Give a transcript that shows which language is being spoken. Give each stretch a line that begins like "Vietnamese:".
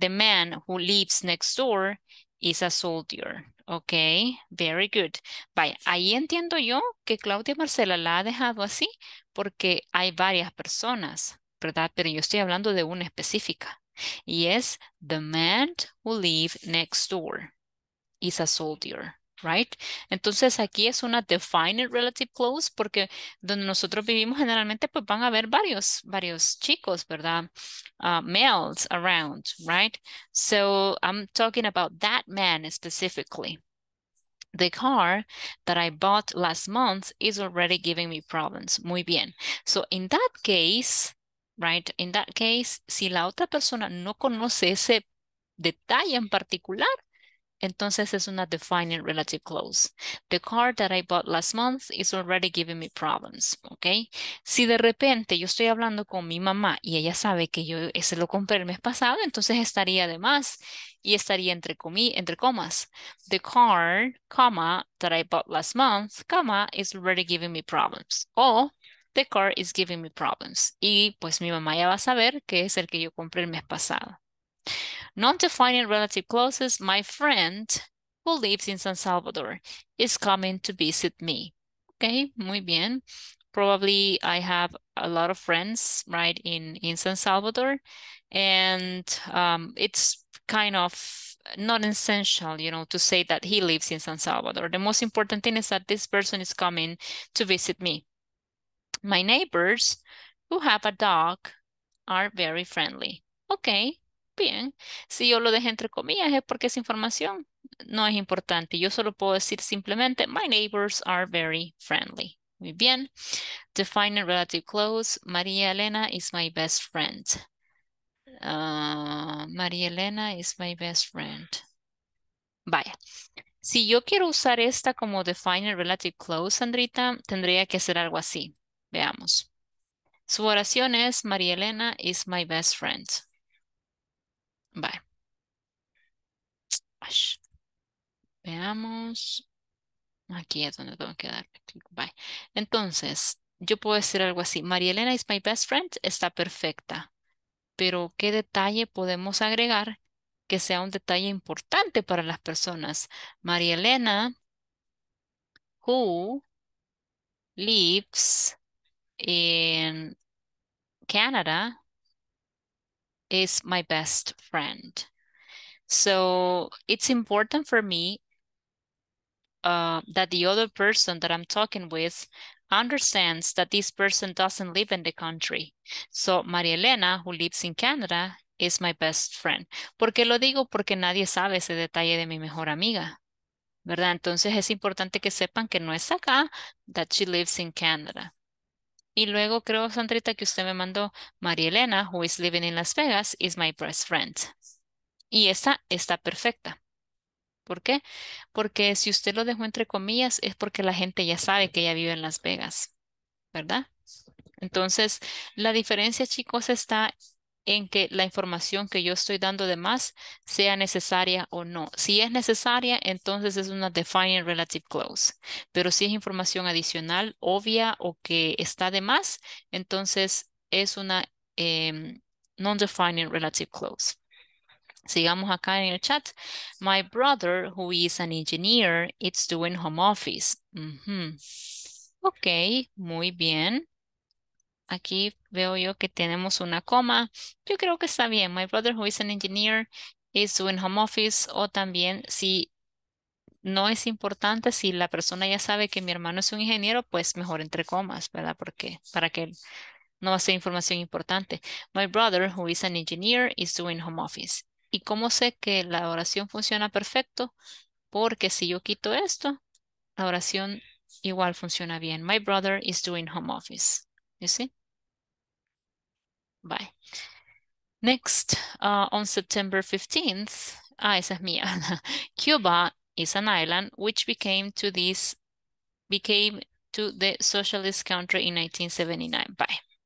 English: The man who lives next door is a soldier. Ok, very good.
Spanish: Vaya, ahí entiendo yo que Claudia y Marcela la ha dejado así porque hay varias personas, ¿verdad? Pero yo estoy hablando de una específica. Y es
English: the man who lives next door is a soldier, right?
Spanish: Entonces aquí es una defined relative clause porque donde nosotros vivimos generalmente pues van a haber varios chicos, ¿verdad?
English: Males around, right? So I'm talking about that man specifically. The car that I bought last month is already giving me problems.
Spanish: Muy bien.
English: So in that case,
Spanish: right, in that case, si la otra persona no conoce ese detalle en particular, entonces es una defining relative clause.
English: The car that I bought last month is already giving me problems, okay?
Spanish: Si de repente yo estoy hablando con mi mamá y ella sabe que yo ese lo compré el mes pasado, entonces estaría de más y estaría entre comas.
English: The car, comma, that I bought last month, comma, is already giving me problems. O the car is giving me problems.
Spanish: Y pues mi mamá ya va a saber que es el que yo compré el mes pasado.
English: Non-defining relative clauses. My friend who lives in San Salvador is coming to visit me. Okay,
Spanish: muy bien.
English: Probably I have a lot of friends, right, in San Salvador. And it's kind of not essential, you know, to say that he lives in San Salvador. The most important thing is that this person is coming to visit me. My neighbors who have a dog are very friendly.
Spanish: Okay, bien. Si yo lo dejé entre comillas es porque esa información no es importante. Yo solo puedo decir simplemente,
English: my neighbors are very friendly.
Spanish: Muy bien.
English: Define a relative clause. María Elena is my best friend. María Elena is my best friend. Vaya.
Spanish: Si yo quiero usar esta como
English: define a relative clause,
Spanish: Sandrita, tendría que hacer algo así. Veamos. Su oración es,
English: María Elena is my best friend. Bye. Ash.
Spanish: Veamos. Aquí es donde tengo que darle clic. Bye. Entonces, yo puedo decir algo así.
English: María Elena is my best friend.
Spanish: Está perfecta. Pero, ¿qué detalle podemos agregar que sea un detalle importante para las personas?
English: María Elena, who lives in Canada is my best friend. So it's important for me that the other person that I'm talking with understands that this person doesn't live in the country. So María Elena, who lives in Canada, is my best friend.
Spanish: ¿Por qué lo digo? Porque nadie sabe ese detalle de mi mejor amiga, ¿verdad? Entonces es importante que sepan que no es acá,
English: that she lives in Canada.
Spanish: Y luego creo, Sandrita, que usted me mandó, María Elena,
English: who is living in Las Vegas, is my best friend.
Spanish: Y esta está perfecta. ¿Por qué? Porque si usted lo dejó entre comillas, es porque la gente ya sabe que ella vive en Las Vegas, ¿verdad? Entonces, la diferencia, chicos, está en que la información que yo estoy dando de más sea necesaria o no. Si es necesaria, entonces es una defining relative clause. Pero si es información adicional, obvia o que está de más, entonces es una non-defining relative clause. Sigamos acá en el chat.
English: My brother, who is an engineer, is doing home office.
Spanish: Mm-hmm. Ok, muy bien. Aquí veo yo que tenemos una coma. Yo creo que está bien.
English: My brother, who is an engineer, is doing home office.
Spanish: O también, si no es importante, si la persona ya sabe que mi hermano es un ingeniero, pues mejor entre comas, ¿verdad? Porque para que no sea información importante.
English: My brother, who is an engineer, is doing home office.
Spanish: ¿Y cómo sé que la oración funciona perfecto? Porque si yo quito esto, la oración igual funciona bien.
English: My brother is doing home office. You see? Bye. Next, on September 15th, ah,
Spanish: esa es mía.
English: Cuba is an island which became to the socialist country in 1979. Bye.